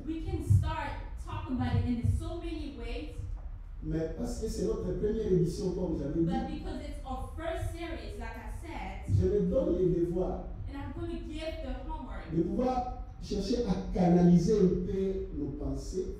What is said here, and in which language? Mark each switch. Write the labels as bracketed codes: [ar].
[en] We can start talking about it in so many ways. [fr] Mais parce que c'est notre première émission, comme j'avais [en] but But because it's our first series, like I said. [fr] Je me donne les devoirs. [en] And I'm going to give the homework. [fr] De pouvoir chercher à canaliser un peu nos pensées.